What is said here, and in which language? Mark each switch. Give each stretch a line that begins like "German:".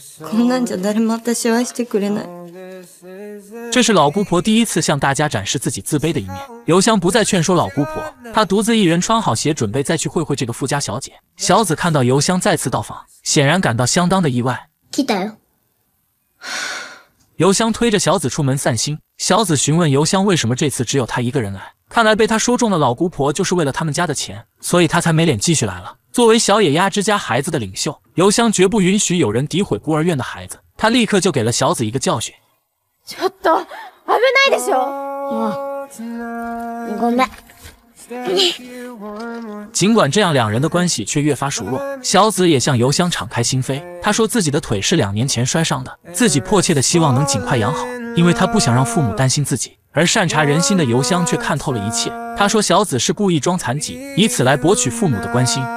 Japanese: こんなんじゃ誰も私を愛してくれない。
Chinese: 这是老姑婆第一次向大家展示自己自卑的一面。邮箱不再劝说老姑婆，她独自一人穿好鞋，准备再去会会这个富家小姐。小子看到邮箱再次到访，显然感到相当的意外。来了。邮箱推着小子出门散心。小子询问邮箱为什么这次只有他一个人来，看来被他说中的老姑婆就是为了他们家的钱，所以他才没脸继续来了。作为小野鸭之家孩子的领袖，邮箱绝不允许有人诋毁孤儿院的孩子，他立刻就给了小子一个教训。
Japanese: ちょっと危ないでしょ。ごめん。
Chinese: 尽管这样，两人的关系却越发熟络。小子也向邮箱敞开心扉，他说自己的腿是两年前摔伤的，自己迫切的希望能尽快养好，因为他不想让父母担心自己。而善察人心的邮箱却看透了一切，他说小子是故意装残疾，以此来博取父母的关心。